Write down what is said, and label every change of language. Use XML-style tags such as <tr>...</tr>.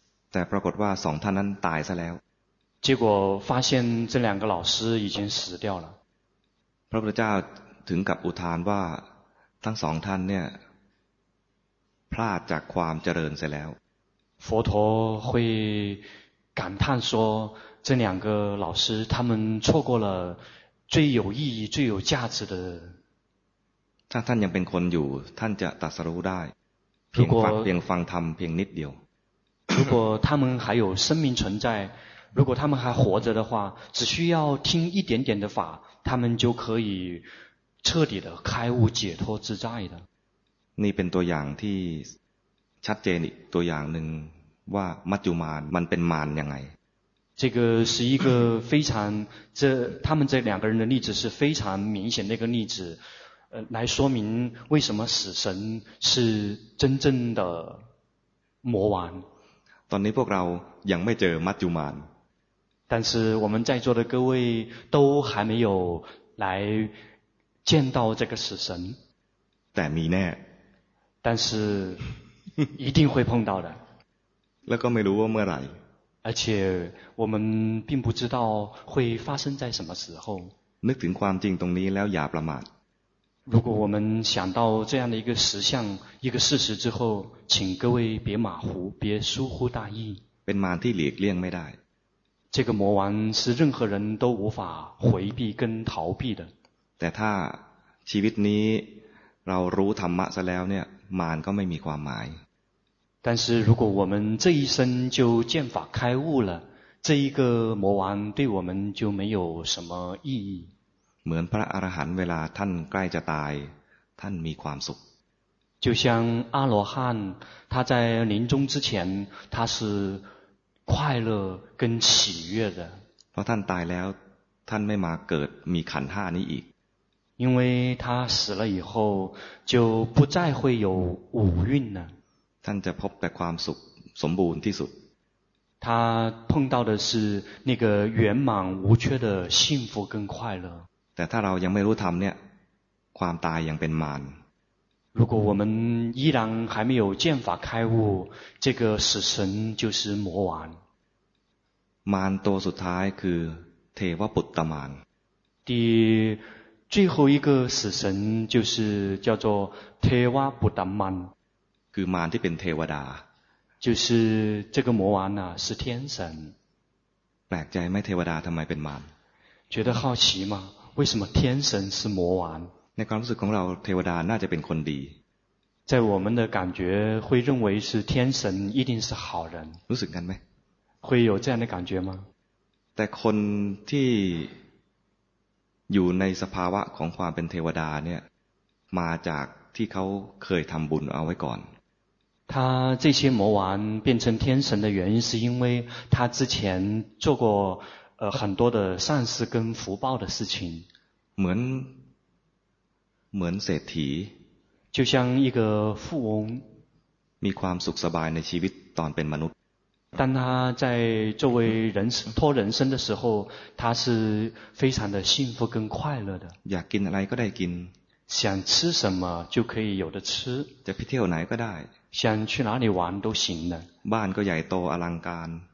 <th>แต่ปรากฏว่าสองท่านนั้นตายซะแล้ว。</th> <zh>结果发现这两个老师已经死掉了。</zh> <th>พระพุทธเจ้าถึงกับอุทานว่าทั้งสองท่านเนี่ยพลาดจากความเจริญซะแล้ว。</th> <zh>佛陀会感叹说这两个老师他们错过了最有意义最有价值的。</zh> <th>ถ้าท่านยังเป็นคนอยู่ท่านจะตรัสรู้ได้เพียงฟังธรรมเพียงนิดเดียว</th> <zh>如果他们还有生命存在如果他们还活着的话只需要听一点点的法他们就可以彻底的开悟解脱自在的</zh> <th>นี่เป็นตัวอย่างที่ชัดเจนอีกตัวอย่างหนึ่งว่ามัจจุมานมันเป็นมารยังไง</th> <zh>这个是一个非常这他们这两个人的例子是非常明显的一个例子来说明为什么死神是真正的魔王</zh> <th>ตอนนี้พวกเรายังไม่เจอมัจจุมาน</th> <zh>但是我们在座的各位都还没有来见到这个死神</zh> <th>แต่มีแน่</th> <zh>但是一定会碰到的</zh> <th>แล้วก็ไม่รู้ว่าเมื่อไหร่</th> <zh>而且我们并不知道会发生在什么时候</zh> <th>นึกถึงความจริงตรงนี้แล้วอย่าประมาท</th> <zh>如果我们想到这样的一个实相一个事实之后请各位别马虎别疏忽大意</zh> <th>เป็นมารที่หลีกเลี่ยงไม่ได้</th> <zh>这个魔王是任何人都无法回避跟逃避的</zh> <th>แต่ถ้าชีวิตนี้เรารู้ธรรมะซะแล้วเนี่ยมารก็ไม่มีความหมาย</th> <zh>但是如果我们这一生就见法开悟了这一个魔王对我们就没有什么意义</zh> <th>เหมือนพระอรหันต์เวลาท่านใกล้จะตายท่านมีความสุข</th> <zh>就像阿罗汉他在临终之前他是快乐跟喜悦的</zh> <th>เพราะท่านตายแล้วท่านไม่มาเกิดมีขันธ์ห้านี้อีก</th> <zh>因为他死了以后就不再会有五蕴了</zh> <th>ท่านจะพบแต่ความสุขสมบูรณ์ที่สุด</th> <zh>他碰到的是那个圆满无缺的幸福跟快乐</zh> <th>แต่ถ้าเรายังไม่รู้ธรรมเนี่ยความตายยังเป็นมาร</th> <zh>如果我们依然还没有见法开悟这个死神就是魔王</zh> <th>มารตัวสุดท้ายคือเทวปุตตมาร</th> <zh>第最后一个死神就是叫做เทวปุตตมาร</zh> <th>คือมารที่เป็นเทวดา</th> <zh>就是这个魔王啊是天神</zh> <th>แปลกใจไหมเทวดาทำไมเป็นมาร</th> <zh>觉得好奇吗为什么天神是魔王</zh> <th>ในความรู้สึกของเราเทวดาน่าจะเป็นคนดี</th> <zh>在我们的感觉会认为是天神一定是好人</zh> <th>รู้สึกกันไหม</th> <zh>会有这样的感觉吗</zh> <th>แต่คนที่อยู่ในสภาวะของความเป็นเทวดาเนี่ยมาจากที่เขาเคยทำบุญเอาไว้ก่อน</th> <zh>他这些魔王变成天神的原因是因为他之前做过很多的善事跟福报的事情</zh> <th>เหมือนเศรษฐี</th> <zh>就像一个富翁</zh> <th>มีความสุขสบายในชีวิตตอนเป็นมนุษย์</th> <zh>但他在作为人托人生的时候他是非常的幸福跟快乐的</zh> <th>อยากกินอะไรก็ได้กิน</th> <zh>想吃什么就可以有的吃</zh> <th>จะไปเที่ยวไหนก็ได้</th> <zh>想去哪里玩都行的</zh> <th>บ้านก็ใหญ่โตอลังการ</th>